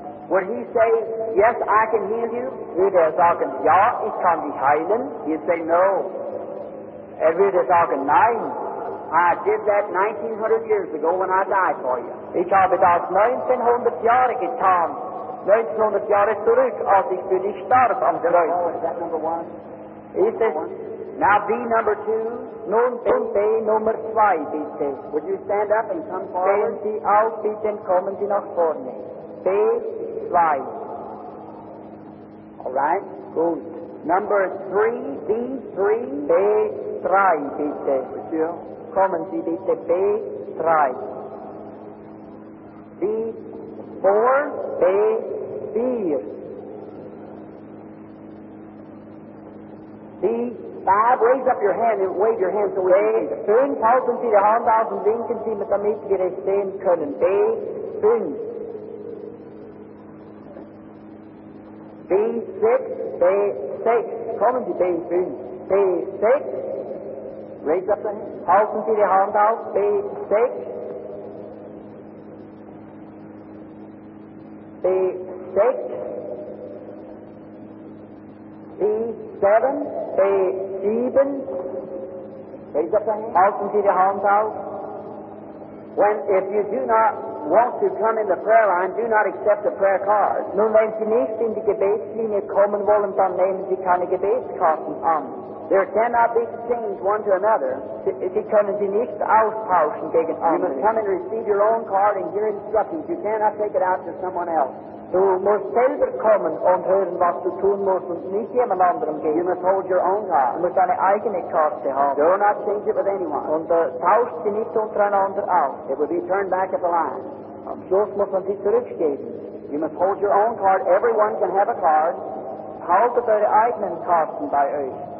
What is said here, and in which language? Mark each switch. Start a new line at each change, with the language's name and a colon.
English: Would he say, yes, I can heal you?
German: Würde er sagen, ja, ich kann dich heilen?
English: He'd say, no.
German: Er würde sagen, nein.
English: I did that 1900 years ago when I died for you.
German: Ich habe das 1900 Jahre getan. 1900 Jahre zurück, als ich für dich starb am Kreuz.
English: Is that number one?
German: Ist es?
English: Now B number two.
German: Nun bin B Nummer zwei, bitte.
English: Would you stand up and come forward?
German: Stehen Sie auf, bitte, und kommen Sie nach vorne. B zwei.
English: All right.
German: Gut.
English: Number three. B three.
German: B drei, bitte.
English: Would you?
German: Kommen Sie, bitte. B drei.
English: B four.
German: B vier.
English: B five. Raise up your hand and wave your hand so we can see.
German: B fünf. Halten Sie die Hand aus und winken Sie, mit damit wir es sehen können. B fünf.
English: B six.
German: B six. Kommen Sie, B fünf. B six.
English: Raise up the hand.
German: Halten Sie die Hand aus. B six.
English: B six. B seven.
German: B sieben.
English: Raise up the hand.
German: Halten Sie die Hand aus.
English: When, if you do not want to come in the prayer line, do not accept the prayer card.
German: Nun, wenn Sie nicht in die Gebetslinie kommen wollen, dann nehmen Sie keine Gebetskarten an.
English: There cannot be exchanged one to another.
German: Sie können sie nicht austauschen gegen andere.
English: You must come and receive your own card and hear instructions. You cannot take it out to someone else.
German: Du musst selber kommen und hören, was du tun musst, und nicht jemand anderem geben.
English: You must hold your own card.
German: Du musst deine eigene Karte haben.
English: Do not change it with anyone.
German: Und tauscht sie nicht untereinander aus.
English: It will be turned back at the line.
German: Am Schluss muss man sie zurückgeben.
English: You must hold your own card. Everyone can have a card.
German: Haltet eure eigenen Karten bei euch.